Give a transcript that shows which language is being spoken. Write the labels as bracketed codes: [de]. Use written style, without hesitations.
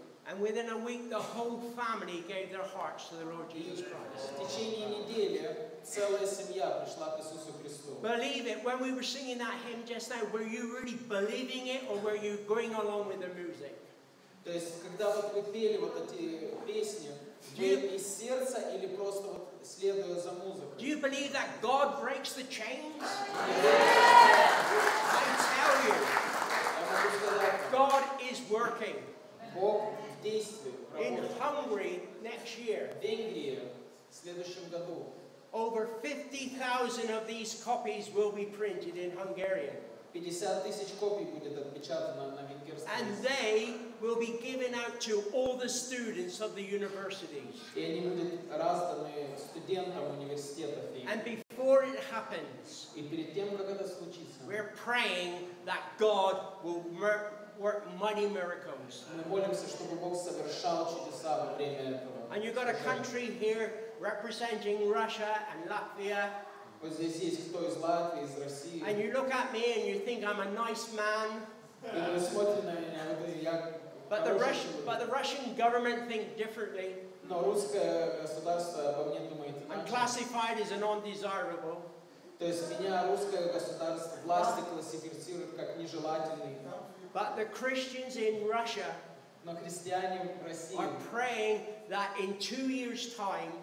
[en] And within a week, the whole family gave their hearts to the Lord Jesus Christ. Believe it, when we were singing that hymn just now, were you really believing it or were you going along with the music? [ru] То есть, когда вот вы пели вот эти песни, вы из сердца или просто вот следуя за музыкой? [en] Do you believe that God breaks the chains? Yeah. I tell you, God is working. [ru] Бог в действии. [en] In Hungary next year. [ru] В Венгрии в следующем году. [en] Over 50,000 of these copies will be printed in Hungarian. [ru] 50,000 копий будет отпечатано на венгерском. [en] And they will be given out to all the students of the universities. [ru] И они будут разданы студентам университетов. [en] And before it happens, [ru] и перед тем, как это случится, [en] we're praying that God will work mighty miracles. [ru] Мы молимся, чтобы Бог совершал чудеса во время этого. [en] And you've got a country here representing Russia and Latvia. [ru] Вот здесь есть кто из Латвии, из России. [en] And you look at me and you think I'm a nice man. But the Russian government think differently. [ru] Но русское государство обо мне думает иначе. [en] I'm classified as an undesirable. [ru] То есть меня русское государство, власти классифицируют как нежелательный. [en] But the Christians in Russia are praying that in 2 years' time,